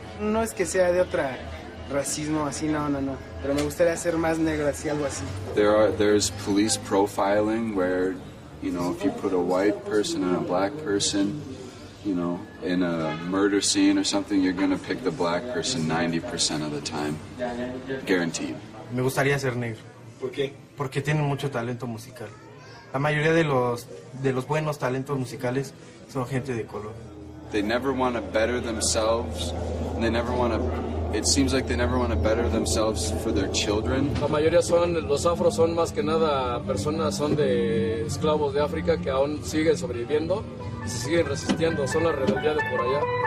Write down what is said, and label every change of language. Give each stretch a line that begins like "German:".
Spanish: No es que sea de otra racismo, así no, pero me gustaría ser más negro, así, algo así.
English: There's police profiling where, you know, if you put a white person and a black person, you know, in a murder scene or something, you're gonna pick the black person 90% of the time, guaranteed.
Spanish: Me gustaría ser negro. ¿Por qué? Porque tienen mucho talento musical. La mayoría de los buenos talentos musicales son gente de color.
English: They never want to better themselves. They never want to. It seems like they never want to better themselves for their children.
Spanish: La mayoría son los afros, son más que nada personas, son de esclavos de África que aún siguen sobreviviendo, se siguen resistiendo, son la rebeldía de por allá.